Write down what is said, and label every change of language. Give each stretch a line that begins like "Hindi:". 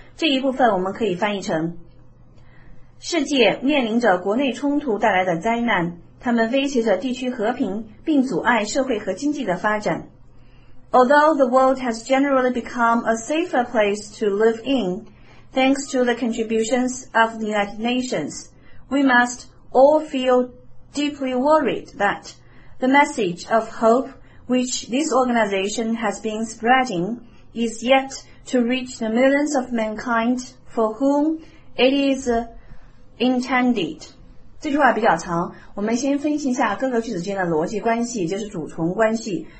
Chinese: 这一部分我们可以翻译成世界面临着国内冲突带来的灾难，他们威胁着地区和平并阻碍社会和经济的发展。
English: Although the world has generally become a safer place to live in thanks to the contributions of the United Nations, we must all feel deeply worried that the message of hope which this organization has been spreading is yettoto reach the millions of mankind for whom it is intended.
Chinese: 这句话比较长，我们先分析一下各个句子间的逻辑关系，就是主从关系。